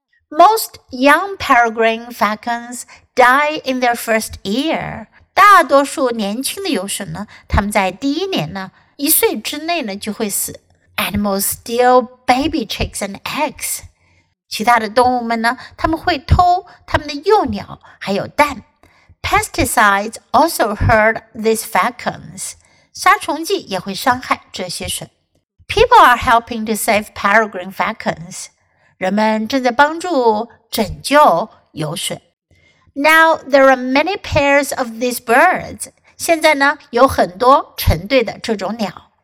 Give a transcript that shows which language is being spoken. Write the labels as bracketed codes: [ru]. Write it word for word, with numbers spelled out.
[en] Most young peregrine falcons die in their first year. [zh] 大多数年轻的游隼呢，他们在第一年呢，一岁之内呢就会死。 [en] Animals steal baby chicks and eggs. [zh] 其他的动物们呢，他们会偷他们的幼鸟还有蛋。 [en] Pesticides also hurt these falcons. [zh] 杀虫剂也会伤害这些水。 [en] People are helping to save peregrine falcons. [zh] 人们正在帮助拯救游水。 [en] Now there are many pairs of these birds. [zh] 现在呢，有很多成对的这种鸟。